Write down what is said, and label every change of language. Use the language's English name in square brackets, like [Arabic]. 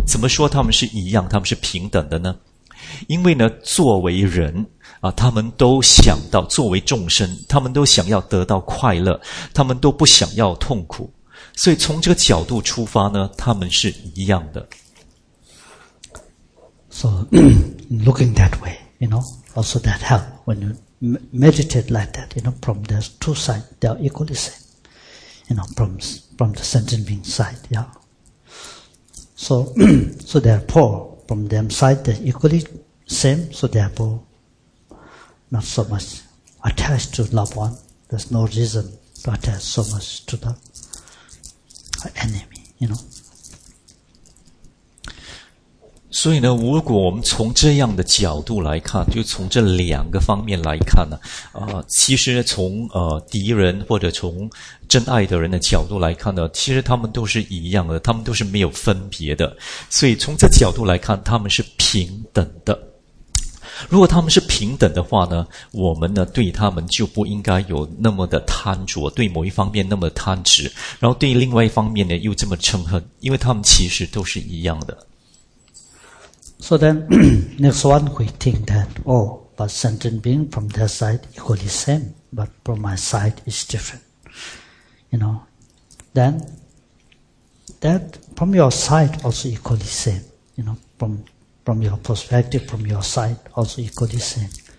[Chinese] 怎么说他们是一样，他们是平等的呢？因为呢，作为人啊，他们都想到，作为众生，他们都想要得到快乐，他们都不想要痛苦，所以从这个角度出发呢，他们是一样的。 [English] So looking that way, you know, also that help when you meditate like that, you know, from the two sides, they are equally same, you know, from the sentient being side, yeah. So, so therefore, from them side, they are equally same, so therefore,not so much attached to loved one. There's no reason to attach so much to the enemy, you know. [Chinese] 所以呢，如果我们从这样的角度来看，就从这两个方面来看呢，其实从敌人或者从真爱的人的角度来看呢，其实他们都是一样的，他们都是没有分别的。所以从这角度来看，他们是平等的。如果他们是平等的话呢，我们呢对他们就不应该有那么的贪着，对某一方面那么贪执，然后对另外一方面呢又这么嗔恨，因为他们其实都是一样的。 [English] So then, next one, we think that, oh, but sentient being from their side equally same, but from my side is different. You know, then, that from your side also equally same, you know, from your perspective, from your side, also equally same.